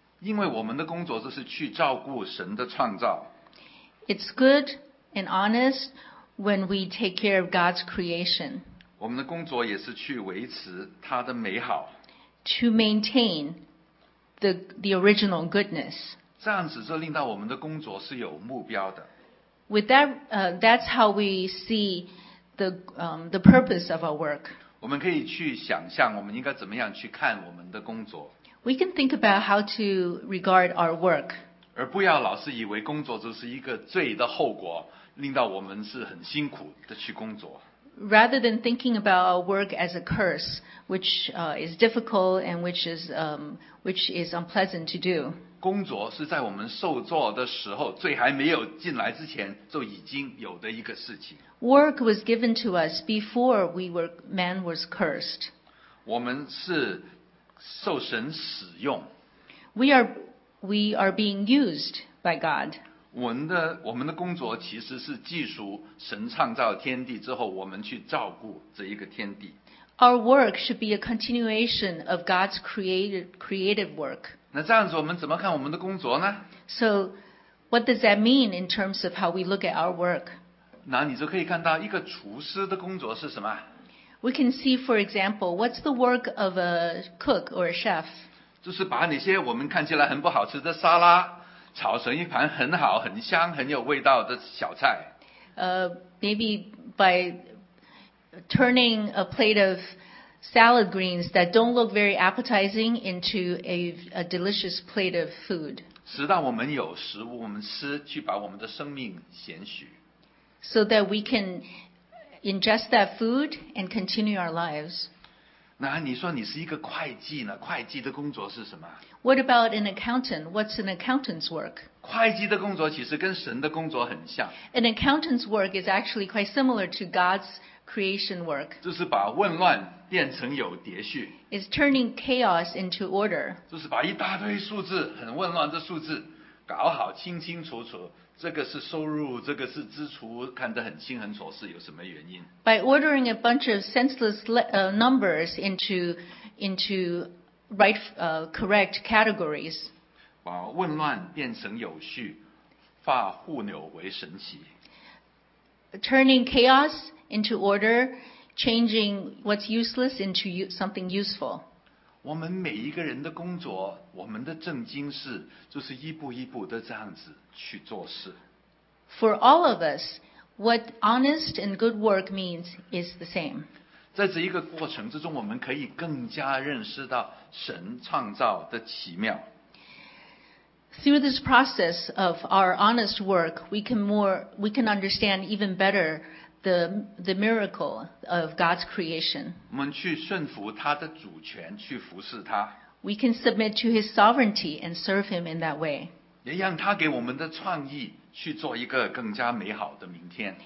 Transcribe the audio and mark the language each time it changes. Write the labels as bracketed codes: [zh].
[zh] 因为我们的工作就是去照顾神的创造。 [en] It's good and honest. When we take care of God's creation, [zh] 我们的工作也是去维持他的美好 [en] to maintain the original goodness. [zh] 这样子就令到我们的工作是有目标的 [en] With that, that's how we see the purpose of our work. [zh] 我们可以去想象我们应该怎么样去看我们的工作 [en] We can think about how to regard our work. [zh] 而不要老是以为工作就是一个罪的后果令到我们是很辛苦的去工作。 [en] Rather than thinking about our work as a curse, which is difficult and which is unpleasant to do. [zh] 工作是在我们受造的时候，罪还没有进来之前就已经有的一个事情。 [en] Work was given to us before man was cursed. [zh] 我们是受神使用。 [en] We are being used by God. [zh] 我们的工作其实是记述神创造天地之后，我们去照顾这一个天地。 [en] Our work should be a continuation of God's creative work. [zh] 那这样子，我们怎么看我们的工作呢 [en] ？So, what does that mean in terms of how we look at our work? [zh] 那你就可以看到一个厨师的工作是什么 [en] ？We can see, for example, what's the work of a cook or a chef? [zh] 就是把那些我们看起来很不好吃的沙拉。炒成一盘很好、很香、很有味道的小菜。 [en] Maybe by turning a plate of salad greens that don't look very appetizing into a delicious plate of food. [zh] 使到我们有食物，我们吃，去把我们的生命延续。 [en] So that we can ingest that food and continue our lives. [zh] 那你说你是一个会计呢？会计的工作是什么？ [en] What about an accountant? What's an accountant's work? [zh] 会计的工作其实跟神的工作很像。 [en] An accountant's work is actually quite similar to God's creation work. [zh] 就是把混乱变成有秩序。 [en] It's turning chaos into order. [zh] 就是把一大堆数字很混乱的数字搞好清清楚楚，这个是收入，这个是支出，看得很清很楚是有什么原因。 [en] By ordering a bunch of senseless numbers into right, correct categories. [zh] 把混乱变成有序，化互纽为神奇。 [en] Turning chaos into order, changing what's useless into something useful. [zh] 我们每一个人的工作，我们的正经事，就是一步一步的这样子去做事。 [en] For all of us, what honest and good work means is the same. [zh] 在这一个过程之中，我们可以更加认识到神创造的奇妙。 [en] Through this process of our honest work, we can understand even better the miracle of God's creation. [zh] 我们去顺服他的主权，去服侍他。 [en] We can submit to his sovereignty and serve him in that way. [zh] 也让他给我们的创意去做一个更加美好的明天。